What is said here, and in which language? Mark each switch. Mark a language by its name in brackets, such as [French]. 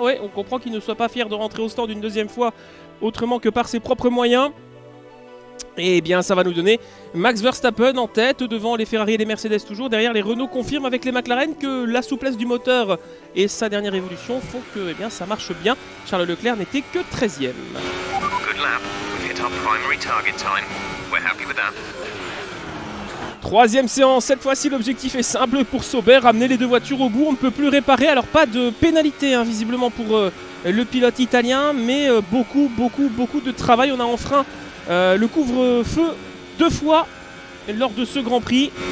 [French] Ouais, on comprend qu'il ne soit pas fier de rentrer au stand une deuxième fois autrement que par ses propres moyens. Et bien ça va nous donner Max Verstappen en tête devant les Ferrari et les Mercedes toujours. Derrière les Renault confirment avec les McLaren que la souplesse du moteur et sa dernière évolution font que et bien, ça marche bien. Charles Leclerc n'était que 13e. [English] Good lap. We've hit our primary target time. We're happy with that. [French] Troisième séance, cette fois-ci l'objectif est simple pour Sauber, ramener les deux voitures au bout, on ne peut plus réparer, alors pas de pénalité hein, visiblement pour le pilote italien, mais beaucoup de travail, on a enfreint le couvre-feu deux fois lors de ce Grand Prix.